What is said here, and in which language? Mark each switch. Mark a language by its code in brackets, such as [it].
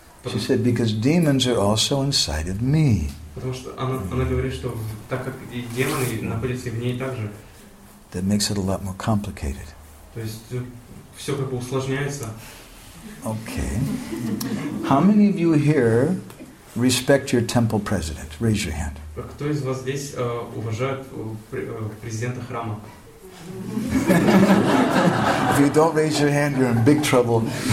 [en] She said, because demons are also inside of me. [ru] Потому что она говорит, что так как и демоны находятся в ней также. [en] That makes it a lot more complicated. [ru] То есть все как бы усложняется. [en] Okay. How many of you here respect your temple president? Raise your hand. [ru] Кто из вас здесь уважает президента храма? [en] If you don't raise your hand, you're in big trouble.